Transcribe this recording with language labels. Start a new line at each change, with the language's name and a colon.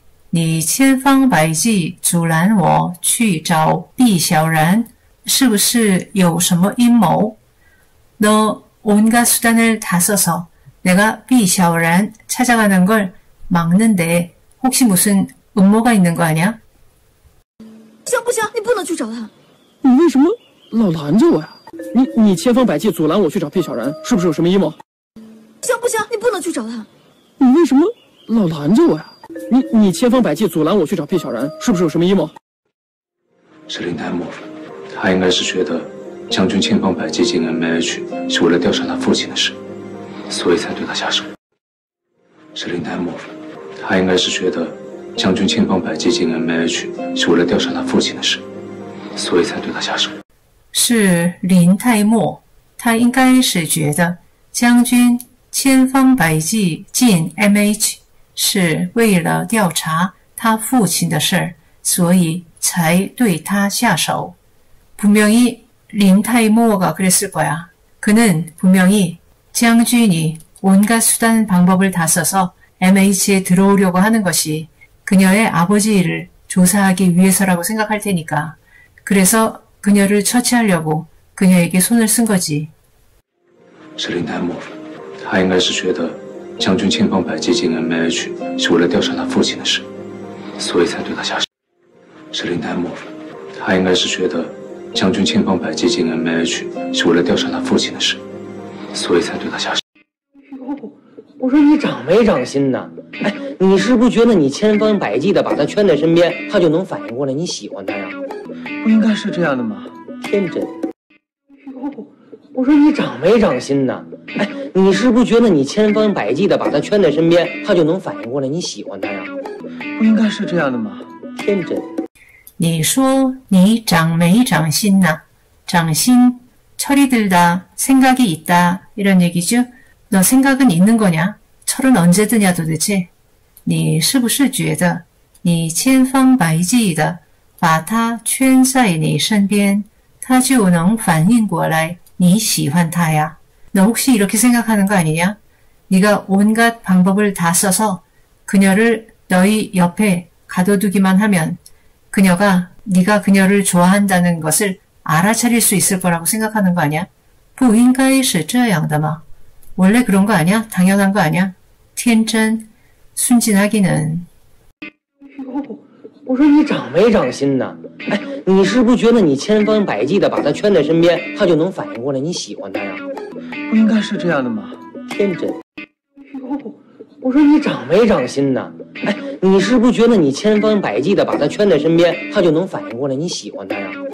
Chinese: 니千方百计阻拦我去找毕小然,是不是有什么阴谋?
Korean: 너 온갖 수단을 다 써서 내가 毕小然찾아가는 걸 막는데, 혹시 무슨 음모가 있는 거 아니야?
Chinese: 行不行？你不能去找他。你为什么老拦着我呀？你千方百计阻拦我去找聂小然，是不是有什么阴谋？行不行？你不能去找他。你为什么老拦着我呀？你千方百计阻拦我去找聂小然，是不是有什么阴谋？是林檀木，他应该是觉得将军千方百计进 MH 是为了调查他父亲的事，所以才对他下手。是林檀木，他应该是觉得将军千方百计进 MH 是为了调查他父亲的事，所以才对他下手。是林泰默，他应该是觉得将军千方百计进 MH 是为了调查他父亲的事儿，所以才对他下手。
Korean: 분명히 林泰默가 그랬을 거야. 그는 분명히 将军이 온갖 수단 방법을 다 써서 MH에 들어오려고 하는 것이 그녀의 아버지 일을 조사하기 위해서라고 생각할 테니까. 그래서 그녀를 처치하려고 그녀에게 손을 쓴 거지.
Chinese: 是林檀木，他应该是觉得将军千方百计进 MH 是为了调查他父亲的事，所以才对他下手。是林檀木，他应该是觉得将军千方百计进 MH 是为了调查他父亲的事，所以才对他下手。我说你长没长心呢？哎，你是不是觉得你千方百计的把他圈在身边，他就能反应过来你喜欢他呀？不应该是这样的吗？天真。我说你长没长心呢？哎，你是不是觉得你千方百计的把他圈在身边，他就能反应过来你喜欢他呀？不应该是这样的吗？天真。你说你长没长心呢？
Korean: 长心，철이 들다, 생각이 있다, 이런 얘기죠? 너 생각은 있는 거냐? 철은 언제 드냐 도대체?
Chinese: 你是不是觉得你千方百计的把他圈在你身边，他就能反应过来你喜欢他呀？
Korean: 너 혹시 이렇게 생각하는 거 아니냐? 네가 온갖 방법을 다 써서 그녀를 너희 옆에 가둬두기만 하면 그녀가 네가 그녀를 좋아한다는 것을 알아차릴 수 있을 거라고 생각하는 거 아니야?
Chinese: 不应该是这样的吗?
Korean: 원래 그런 거 아니야? 당연한 거 아니야? 天真, 순진하기는.
Chinese: 我说你长没长心呢？哎，你是不是觉得你千方百计的把他圈在身边，他就能反应过来你喜欢他呀？不应该是这样的吗？天真。哟，我说你长没长心呢？哎，你是不是觉得你千方百计的把他圈在身边，他就能反应过来你喜欢他呀？